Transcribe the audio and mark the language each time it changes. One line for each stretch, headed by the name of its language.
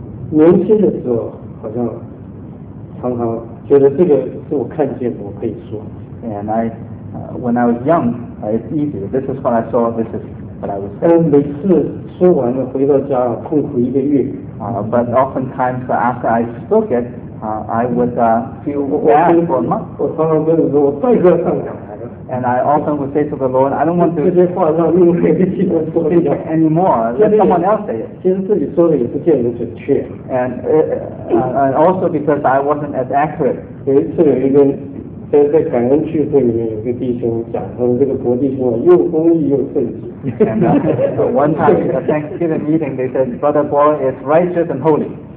Chinese: 年轻的时候好像常常觉得这个是我看见的，我可以说。
English: And I, when I was young, it's easy. This is what I saw, this is what I was saying.
Chinese: 但每次说完了回到家痛苦一个月。
English: But oftentimes after I spoke it, I would feel bad for a month.
Chinese: 我常常跟你说我再不要上讲台了。
English: And I often would say to the Lord, I don't want to speak anymore. Let someone else say it. And also because I wasn't as accurate. One time in the Thanksgiving meeting, they said, Brother Bo is righteous and holy.